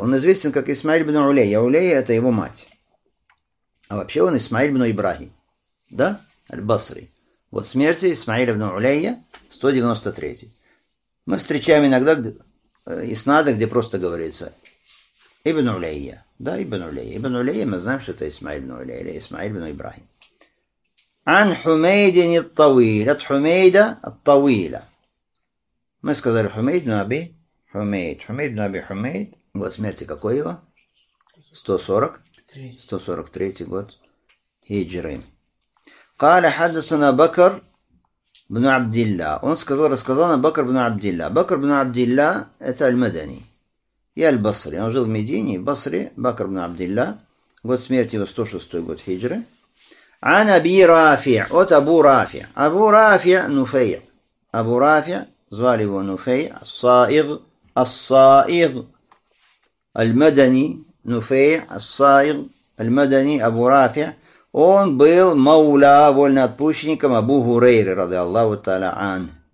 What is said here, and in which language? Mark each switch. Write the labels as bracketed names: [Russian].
[Russian] Он известен как Исмаиль бин Улейя. Улейя это его мать. А вообще он Исмаиль бин Ибрахим. Да? Аль-Басри. Год смерти Исмаиль бин Улейя 193. Мы встречаем иногда иснады, где просто говорится Ибн Улейя. Да, Ибн Улейя. Ибн Улейя, мы знаем, что это Исмаиль бин Улейя или Исмаиль бин Ибрахим. [Arabic] عن حميد الطويل от Хумейда الطويله. [Russian] Мы сказали Хумейд ибн Аби Хумейд. Хумейд ибн Аби Хумейд. Год смерти какой его? 140. 143 год хиджры. [Arabic] قال حدثنا بكر بن عبد الله. [Russian] Он сказал, рассказал нам Бакр ибн Абд Илля. Бакр ибн Абд Илля это аль-Мадани. И аль-Басри. Он жил в Медине, в Басри. Бакр ибн Абд Илля. Год смерти его 106 год хиджры. [Arabic] عن أبي رافع от أبو رافع أبو رافع نفيع أبو رافع [Russian] звали его [Arabic] نفيع الصائغ الصائغ المدني نفيع الصائغ المدني أبو رافع [Russian] он был [Arabic] مولى вольноотпущенником أبو هريرة رضي الله تعالى عنه